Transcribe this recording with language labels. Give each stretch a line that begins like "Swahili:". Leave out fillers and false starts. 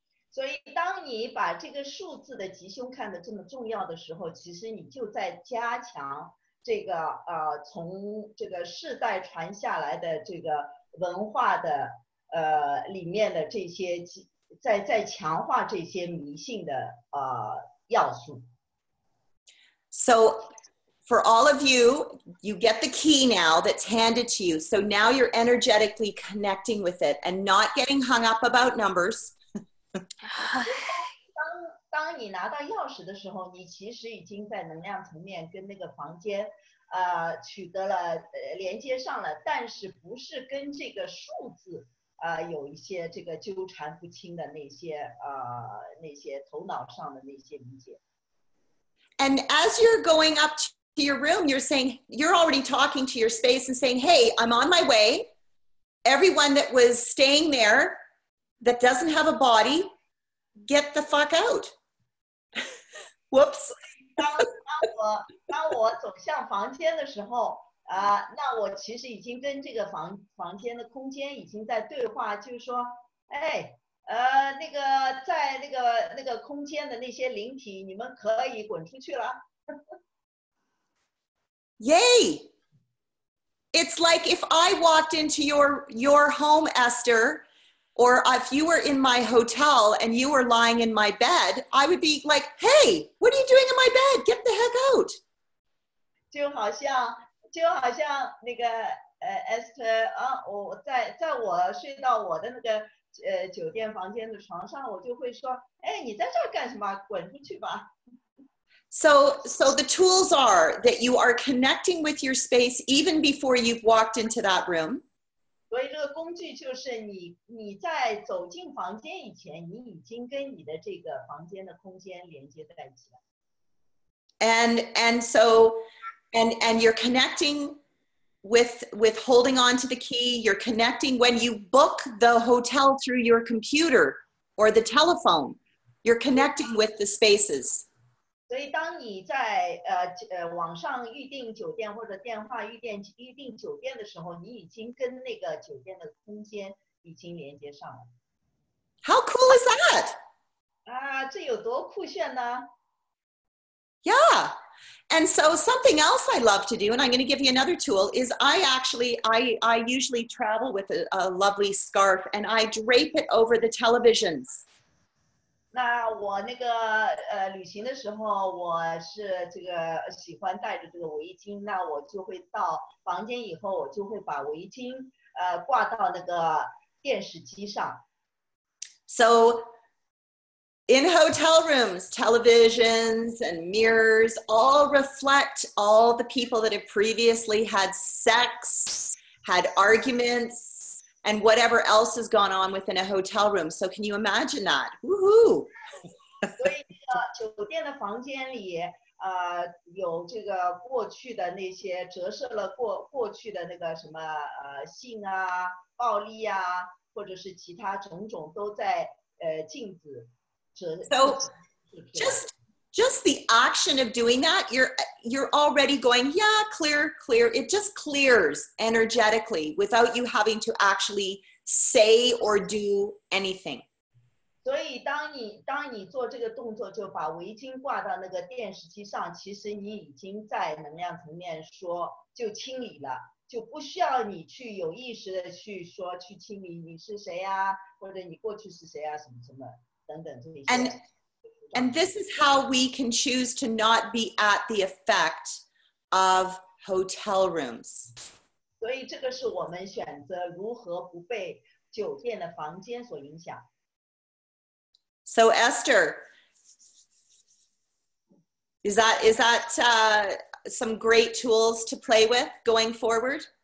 Chinese: 所以当你把这个数字的吉凶看得这么重要的时候，其实你就在加强这个从这个世代传下来的这个文化的里面的这些在强化这些迷信的要素。
English: So for all of you, you get the key now that's handed to you. So now you're energetically connecting with it and not getting hung up about numbers.
Chinese: 当你拿到钥匙的时候，你其实已经在能量层面跟那个房间取得了连接上了，但是不是跟这个数字有一些这个纠缠不清的那些头脑上的那些理解。
English: And as you're going up to your room, you're saying, you're already talking to your space and saying, hey, I'm on my way. Everyone that was staying there that doesn't have a body, get the fuck out. Whoops.
Chinese: 当我走向房间的时候那我其实已经跟这个房间的空间已经在对话，就是说哎那个在那个空间的那些灵体，你们可以滚出去了。
English: Yay! It's like if I walked into your home, Esther, or if you were in my hotel and you were lying in my bed, I would be like, hey, what are you doing in my bed? Get the heck out!
Chinese: 就好像那个Esther 啊，我在我睡到我的那个酒店房间的床上，我就会说，哎，你在这儿干什么？滚出去吧。
English: So the tools are that you are connecting with your space even before you've walked into that room.
Chinese: 所以这个工具就是你在走进房间以前，你已经跟你的这个房间的空间连接在一起了。
English: And you're connecting with holding on to the key. You're connecting when you book the hotel through your computer or the telephone. You're connecting with the spaces.
Chinese: 所以当你在网上预订酒店或者电话预订酒店的时候，你已经跟那个酒店的空间已经连接上了。
English: How cool is that?
Chinese: 啊，这有多酷炫呢？
English: Yeah. And so something else I love to do, and I'm going to give you another tool, is I usually travel with a lovely scarf, and I drape it over the televisions.
Chinese: 那我那个旅行的时候，我是这个喜欢带着这个围巾，那我就会到房间以后，我就会把围巾挂到那个电视机上。
English: So... In hotel rooms, televisions and mirrors all reflect all the people that have previously had sex, had arguments, and whatever else has gone on within a hotel room. So can you imagine that? Woohoo!
Chinese: 所以酒店的房间里有这个过去的那些折射了过去的那个什么性啊、暴力啊，或者是其他种种都在镜子。
English: So, just, just the action of doing that, you're already going, yeah, clear. It just clears energetically without you having to actually say or do anything.
Chinese: 所以当你做这个动作 就把围巾挂到那个电视机上, 其实你已经在能量层面说, 就清理了, 就不需要你去有意识地去说, 去清理你是谁啊, 或者你过去是谁啊, 什么什么, 等等这些。
English: And this is how we can choose to not be at the effect of hotel rooms.
Chinese: 所以这个是我们选择如何不被酒店的房间所影响。
English: So Esther, is that some great tools to play with going forward?